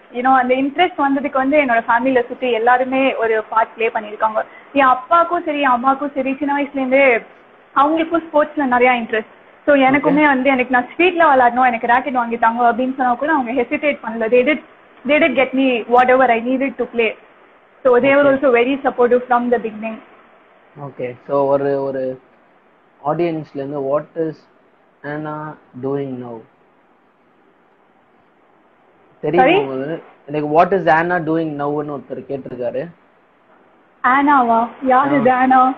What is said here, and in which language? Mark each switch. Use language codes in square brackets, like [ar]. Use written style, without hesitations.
[ta] சுத்தி எல்லாருமே ஒரு பார்ட் பிளே பண்ணிருக்காங்க. என் அப்பாக்கும் சரி அம்மாக்கும் சரி சின்ன வயசுல இருந்தே அவங்களுக்கும் ஸ்போர்ட்ஸ்ல நிறைய இன்ட்ரெஸ்ட். ஸோ எனக்குமே வந்து எனக்கு நான் ஸ்ட்ரீட்ல விளாடணும், எனக்கு ராக்கெட் வாங்கி தாங்க அப்படின்னு சொன்னா கூட அவங்க ஹெசிடேட் பண்ணல. [en] They did get me whatever I needed to play. So they were also very supportive from the beginning. Okay, so [ta] ஒரு ஒரு ஆடியன்ஸ்ல இருந்து [en] what is Anna doing now? [ta] தெரியுமா [en] like what is Anna doing now [ta] னு ஒருத்தர் கேட்டிருக்காரு. Anna வா? யார் இது Anna?